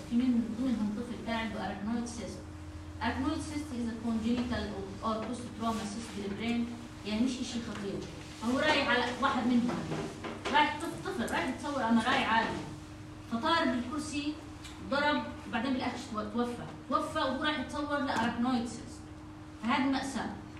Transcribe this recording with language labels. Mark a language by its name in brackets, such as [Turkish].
[Arabic] في منهم طفل قاعد بأرجنويد سيست. [English] arachnoid cyst is a congenital or post trauma cyst in the brain، [Arabic] يعني مش إشي خطير. فهو رايح على واحد منهم، رايح طفل رايح يتصور MRI عادي، فطار بالكرسي ضرب بعدين بالأكش توفى وهو رايح يتصور لأرجنويد سيست. فهذه مأساة.